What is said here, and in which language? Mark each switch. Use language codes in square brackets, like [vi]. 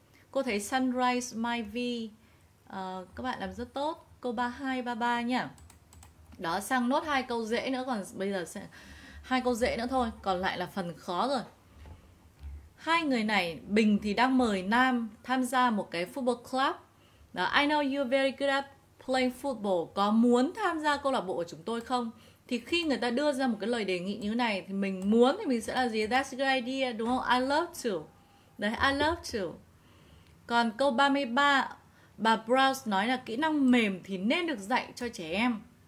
[vi] Cô thấy sunrise, my v, các bạn làm rất tốt. Câu 32, 33 nhá. Đó, sang nốt hai câu dễ nữa, còn bây giờ sẽ hai câu dễ nữa thôi, còn lại là phần khó rồi. Hai người này, Bình thì đang mời Nam tham gia một cái football club. Đó, [en] I know you're very good at playing football. [vi] Có muốn tham gia câu lạc bộ của chúng tôi không? Thì khi người ta đưa ra một cái lời đề nghị như này thì mình muốn thì mình sẽ là gì? [en] That's a good idea, [vi] đúng không? [en] I love to. [vi] Đấy, [en] I love to. [vi] Còn câu 33, bà Brown nói là kỹ năng mềm thì nên được dạy cho trẻ em.